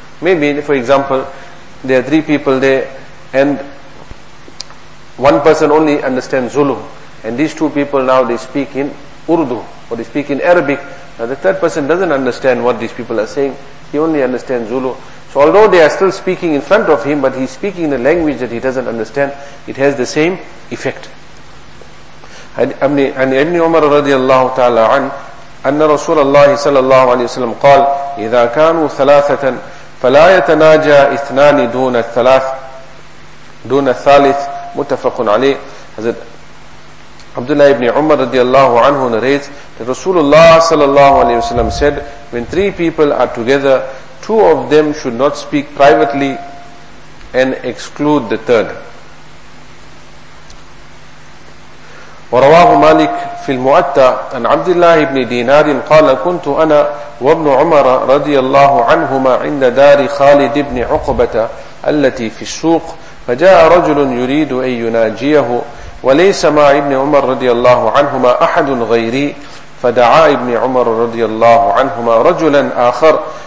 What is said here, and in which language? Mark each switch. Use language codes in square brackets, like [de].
[en] Maybe, for example, there are three people there and one person only understands Zulu, and these two people now they speak in Urdu or they speak in Arabic. Now the third person doesn't understand what these people are saying, he only understands Zulu. So although they are still speaking in front of him, but he's speaking in a language that he doesn't understand, it has the same effect. [ar] عن ابن عمر رضي الله تعالى عنه أن رسول الله صلى الله عليه وسلم قال إذا كانوا ثلاثة فلا يتناجى اثنان دون الثلاث دون الثالث متفق عليه. [en] عبد الله بن عمر رضي الله عنه narrates that Rasulullah صلى الله عليه وسلم said, when three people are together, two of them should not speak privately and exclude the third. [ar] ورواه مالك في المؤتى أن عبد الله بن دينار قال كنت أنا وابن عمر رضي الله عنهما عند دار خالد بن عقبة التي في السوق، فجاء رجل يريد أن يناجيه وليس مع ابن عمر رضي الله عنهما أحد غيري، فدعا ابن عمر رضي الله عنهما رجلا آخر